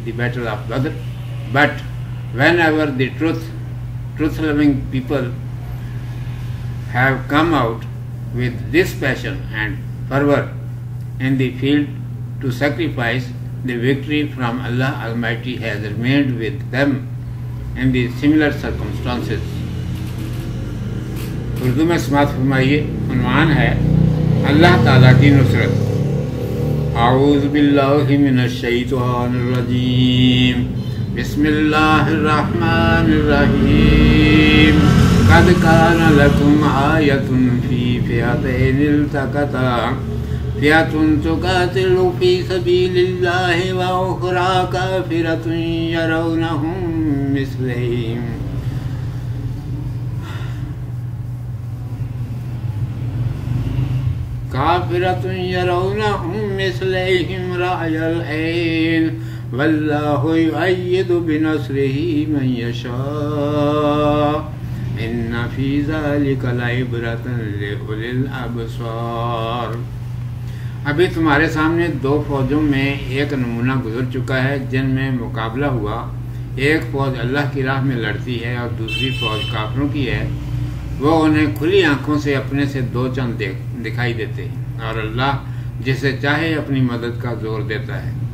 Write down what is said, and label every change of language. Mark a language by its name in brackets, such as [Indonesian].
[English] the Battle of Badr, but whenever the truth-loving people have come out with this passion and fervor in the field to sacrifice, the victory from Allah Almighty has remained with them in the similar circumstances. [Urdu] Urdu میں سماعت فرمائیے، عنوان ہے اللہ تعالیٰ کی نصرت. [Arabic] أعوذ بالله من الشيطان الرجيم بسم الله الرحمن الرحيم قد كان لكم آية في فئتين التقتا فئة تقاتل في سبيل الله وأخرى كافرة يرونهم مثلهم كافرة يرونهم مثلهم رأي العين والله يؤيد بنصره من يشاء إن في ذلك لعبرة لأولي الأبصار. [Urdu] ابھی تمہارے سامنے دو فوجوں میں ایک نمونہ گزر چکا ہے جن میں مقابلہ ہوا. ایک فوج اللہ کی راہ میں لڑتی ہے اور دوسری فوج کافروں کی ہے. وہ انہیں کھلی آنکھوں سے اپنے سے دو چند دکھائی دیتے ہیں اور اللہ جسے چاہے اپنی مدد کا زور دیتا ہے.